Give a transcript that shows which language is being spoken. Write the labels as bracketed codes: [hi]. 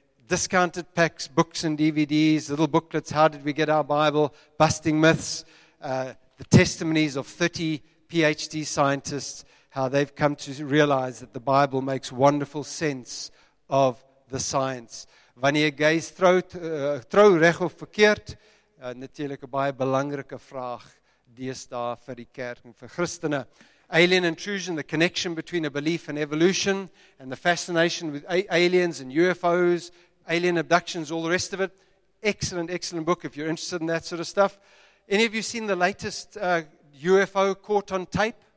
[en] Discounted packs, books and DVDs, little booklets, How Did We Get Our Bible, Busting Myths, the testimonies of 30 PhD scientists, how they've come to realize that the Bible makes wonderful sense of the science. [af] Wanneer jy trou reg of verkeerd, natuurlik 'n baie belangrike vraag deesdae vir die kerk en vir Christene. [en] Alien intrusion, the connection between a belief in evolution and the fascination with aliens and UFOs, alien abductions, all the rest of it. Excellent, excellent book if you're interested in that sort of stuff. Any of you seen the latest UFO caught on tape?